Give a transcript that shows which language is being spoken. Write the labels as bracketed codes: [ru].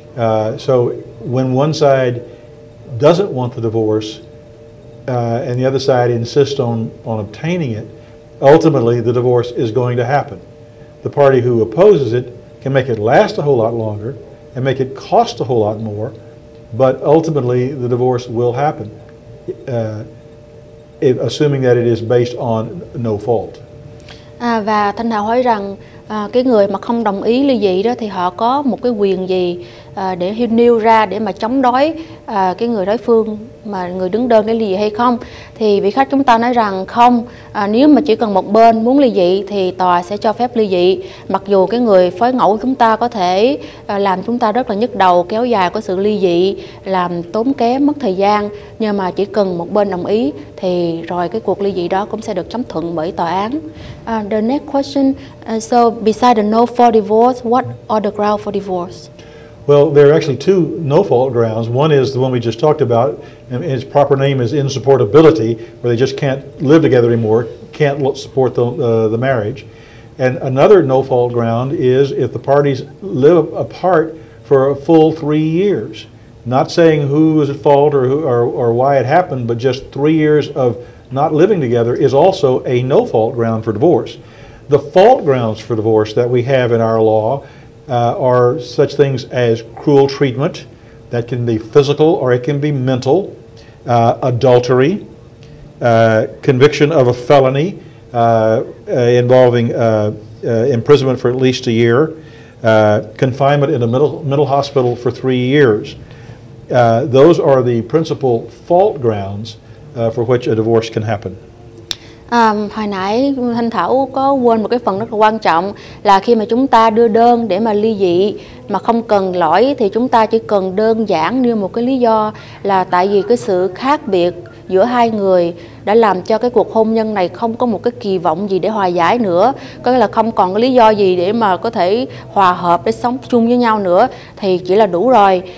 [en] So when one side doesn't want the divorce and the other side insists on obtaining it, ultimately the divorce is going to happen. The party who opposes it can make it last a whole lot longer and make it cost a whole lot more, but ultimately the divorce will happen. Assuming that it is based on no fault. [vi] Và Thanh Thảo hỏi rằng cái người mà không đồng ý ly dị đó thì họ có một cái quyền gì để nêu ra để mà chống đối cái người đối phương mà người đứng đơn cái ly dị hay không? Thì vị khách chúng ta nói rằng không, nếu mà chỉ cần một bên muốn ly dị thì tòa sẽ cho phép ly dị, mặc dù cái người phối ngẫu chúng ta có thể làm chúng ta rất là nhức đầu, kéo dài của sự ly dị, làm tốn kém, mất thời gian, nhưng mà chỉ cần một bên đồng ý thì rồi cái cuộc ly dị đó cũng sẽ được chấp thuận bởi tòa án. [en] The next question, so besides the no for divorce, what are the grounds for divorce? Well, there are actually two no-fault grounds. One is the one we just talked about, and its proper name is insupportability, where they just can't live together anymore, can't support the marriage. And another no-fault ground is if the parties live apart for a full 3 years, not saying who was at fault or why it happened, but just 3 years of not living together is also a no-fault ground for divorce. The fault grounds for divorce that we have in our law are such things as cruel treatment, that can be physical or it can be mental, adultery, conviction of a felony involving imprisonment for at least a year, confinement in a mental hospital for 3 years. Those are the principal fault grounds for which a divorce can happen. [vi] Hồi nãy Thanh Thảo có quên một cái phần rất là quan trọng là khi mà chúng ta đưa đơn để mà ly dị mà không cần lỗi thì chúng ta chỉ cần đơn giản nêu một cái lý do là tại vì cái sự khác biệt giữa hai người đã làm cho cái cuộc hôn nhân này không có một cái kỳ vọng gì để hòa giải nữa, có nghĩa là không còn cái lý do gì để mà có thể hòa hợp để sống chung với nhau nữa thì chỉ là đủ rồi.